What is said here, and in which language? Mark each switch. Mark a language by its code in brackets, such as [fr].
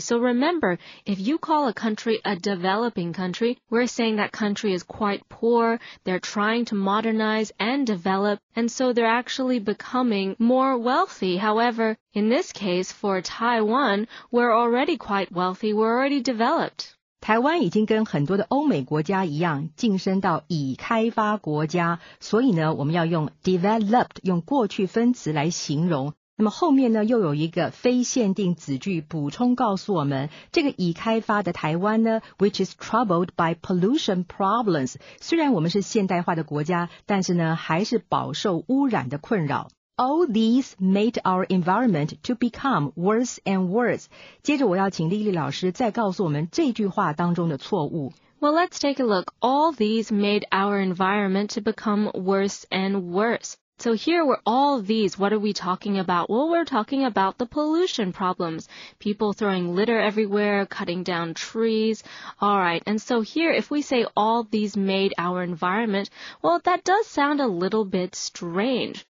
[en] So remember, if you call a country a developing country, we're saying that country is quite poor, they're trying to modernize and develop, and so they're actually becoming more wealthy. However, in this case, for Taiwan, we're already quite wealthy, we're already developed. [zh] 台湾已经跟很多的欧美国家一样晋升到已开发国家，所以呢我们要用 developed 用过去分词来形容。那么后面呢又有一个非限定子句补充告诉我们，这个已开发的台湾呢 [en] which is troubled by pollution problems， [zh] 虽然我们是现代化的国家，但是呢还是饱受污染的困扰。 [en] All these made our environment to become worse and worse. [zh] 接着我要请莉莉老师再告诉我们这句话当中的错误。 [en] Well, let's take a look. All these made our environment to become worse and worse. So here were all these. What are we talking about? Well, we're talking about the pollution problems. People throwing litter everywhere, cutting down trees. All right. And so here, if we say all these made our environment, well, that does sound a little bit strange.